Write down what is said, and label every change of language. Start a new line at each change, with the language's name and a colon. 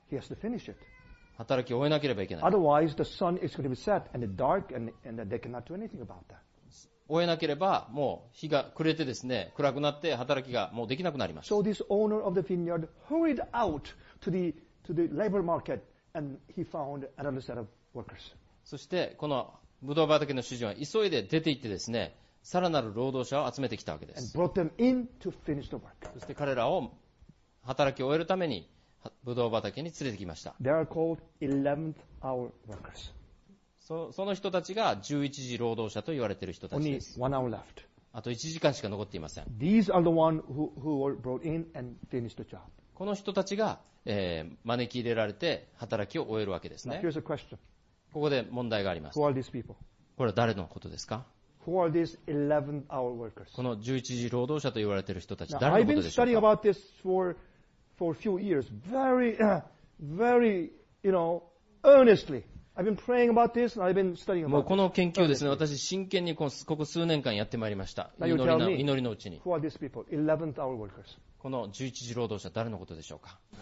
English: He has to finish it.
Japanese: 働きを終えなければいけない。
English: Otherwise, the sun is going to be set and dark, and they cannot do anything about that.
Japanese: 終えなければもう日が暮れてですね、暗くなって働きがもうできなくなります。
English: So this owner of the vineyard hurried out to the labor market and he found another set of workers.
Japanese: そしてこのブドウ畑の主人は急いで出て行ってですね、さらなる労働者を集めてきたわけです。
English: And brought them in to finish the work.
Japanese: そして彼らを働きを終えるためにブドウ畑に連れてきました。
English: They are called 11th hour workers.
Japanese: その人たちが11時労働者と言われている人たちです。
English: Only one hour left.
Japanese: あと1時間しか残っていません。
English: These are the one who were brought in and finished the job.
Japanese: この人たちが、招き入れられて働きを終えるわけですね。
English: Now, here's a question.
Japanese: ここで問題があります。
English: Who are these people?
Japanese: これは誰のことですか？
English: Who are these 11th hour workers?
Japanese: この11時労働者と言われている人たち、誰のことでしょうか？
English: Now, I've been studying about this for a few years, very, very, you know, earnestly. I've been praying about this and I've been studying about this.
Japanese: この研究ですね、私真剣にここ数年間やってまいりました。祈りのうちに。
English: Who are these people? 11th hour workers.
Japanese: この11時労働者、誰のことでしょうか？